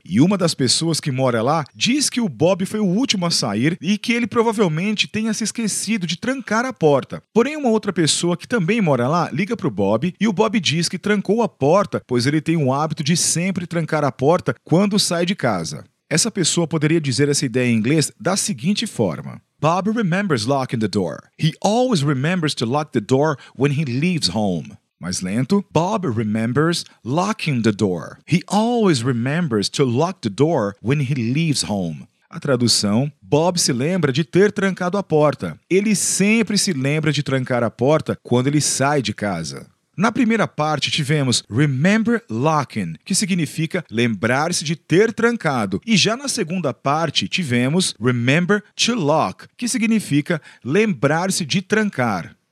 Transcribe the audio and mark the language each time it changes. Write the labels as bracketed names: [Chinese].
[Portuguese] E uma das pessoas que mora lá diz que o Bob foi o último a sair e que ele provavelmente tenha se esquecido de trancar a porta. Porém, uma outra pessoa que também mora lá liga pro Bob e o Bob diz que trancou a porta, pois ele tem o hábito de sempre trancar a porta quando sai de casa. Essa pessoa poderia dizer essa ideia em inglês da seguinte forma. [English] Bob remembers locking the door. He always remembers to lock the door when he leaves home. [Portuguese] Mais lento. [English] Bob remembers locking the door. He always remembers to lock the door when he leaves home. [Portuguese] A tradução, Bob se lembra de ter trancado a porta. Ele sempre se lembra de trancar a porta quando ele sai de casa. Na primeira parte, tivemos remember locking, que significa lembrar-se de ter trancado. E já na segunda parte, tivemos remember to lock, que significa lembrar-se de trancar.